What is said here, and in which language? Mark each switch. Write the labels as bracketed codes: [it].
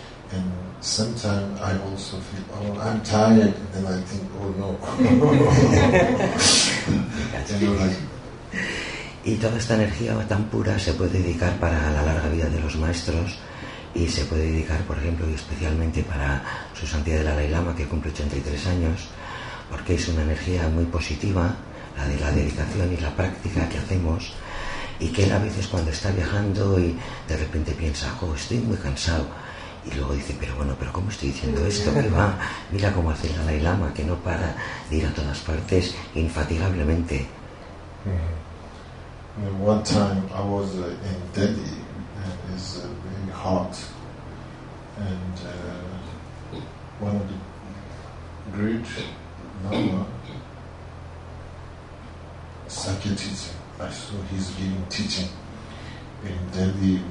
[en] And sometimes I also feel, oh, I'm tired, and then I think, oh no. [es] Y toda esta energía tan pura se puede dedicar para la larga vida de los maestros. y se puede dedicar, por ejemplo, y especialmente para su santidad el Dalai Lama, que cumple 83 años, porque es una energía muy positiva, la de la dedicación y la práctica que hacemos, y que él a veces cuando está viajando y de repente piensa, oh, estoy muy cansado, y luego dice, pero bueno, pero ¿cómo estoy diciendo esto? ¿Qué va? Mira cómo hace el Dalai Lama, que no para de ir a todas partes infatigablemente. [en] One time I was in Delhi, and it's very hot, and one of the great Lama Sakya teaching, I saw he's giving teaching in Delhi.